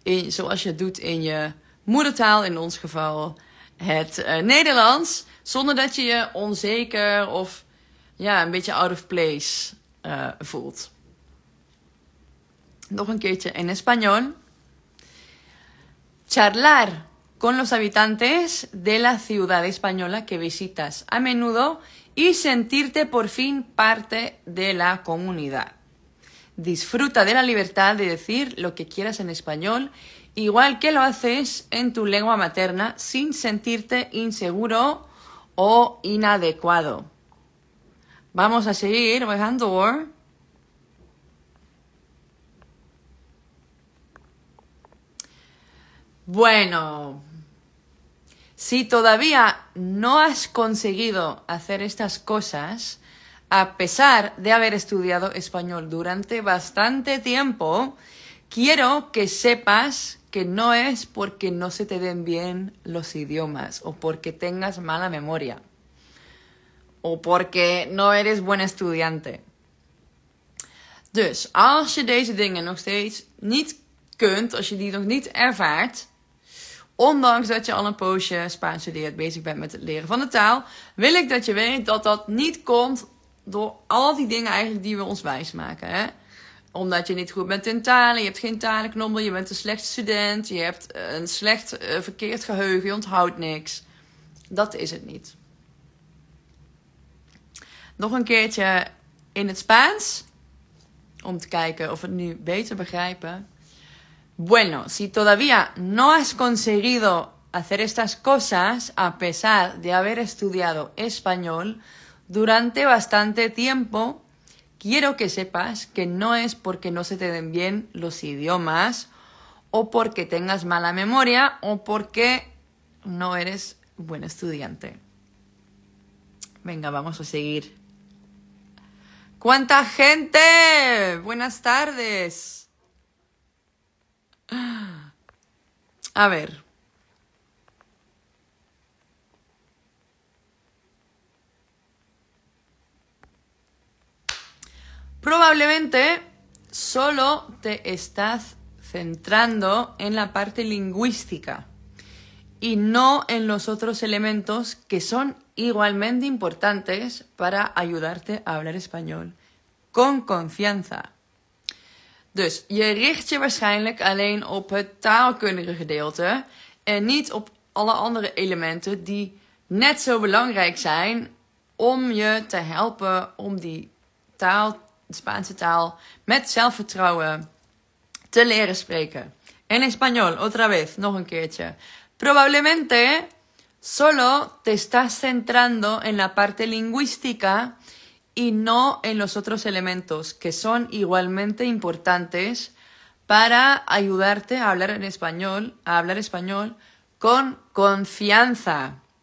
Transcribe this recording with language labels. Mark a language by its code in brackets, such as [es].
[nl] Zoals je het doet in je moedertaal, in ons geval het Nederlands. Zonder dat je je onzeker of ja, een beetje [en] out of place [nl] voelt. Nog een keertje [es] en español. Charlar con los habitantes de la ciudad española que visitas a menudo y sentirte por fin parte de la comunidad. Disfruta de la libertad de decir lo que quieras en español, igual que lo haces en tu lengua materna, sin sentirte inseguro o inadecuado. Vamos a seguir, [en] we're going [nl] door. [es] Bueno, si todavía no has conseguido hacer estas cosas, a pesar de haber estudiado español durante bastante tiempo, quiero que sepas que no es porque no se te den bien los idiomas o porque tengas mala memoria o porque no eres buen estudiante. [nl] Dus, als je deze dingen nog steeds niet kunt, als je die nog niet ervaart, ondanks dat je al een poosje Spaans studeert, bezig bent met het leren van de taal, wil ik dat je weet dat dat niet komt door al die dingen eigenlijk die we ons wijsmaken. Hè? Omdat je niet goed bent in talen, je hebt geen talenknobbel, je bent een slecht student, je hebt een slecht verkeerd geheugen, je onthoudt niks. Dat is het niet. Nog een keertje in het Spaans, om te kijken of we het nu beter begrijpen. [es] Bueno, si todavía no has conseguido hacer estas cosas a pesar de haber estudiado español durante bastante tiempo, quiero que sepas que no es porque no se te den bien los idiomas o porque tengas mala memoria o porque no eres buen estudiante. Venga, vamos a seguir. ¡Cuánta gente! Buenas tardes. A ver. Probablemente solo te estás centrando en la parte lingüística y no en los otros elementos que son igualmente importantes para ayudarte a hablar español con confianza. [nl] Dus je richt je waarschijnlijk alleen op het taalkundige gedeelte en niet op alle andere elementen die net zo belangrijk zijn om je te helpen om die taal, de Spaanse taal, met zelfvertrouwen te leren spreken. [es] En español, otra vez, [nl] nog een keertje. [es] Probablemente solo te estás centrando en la parte lingüística y no en los otros elementos que son igualmente importantes para ayudarte a hablar en español, a hablar español con confianza.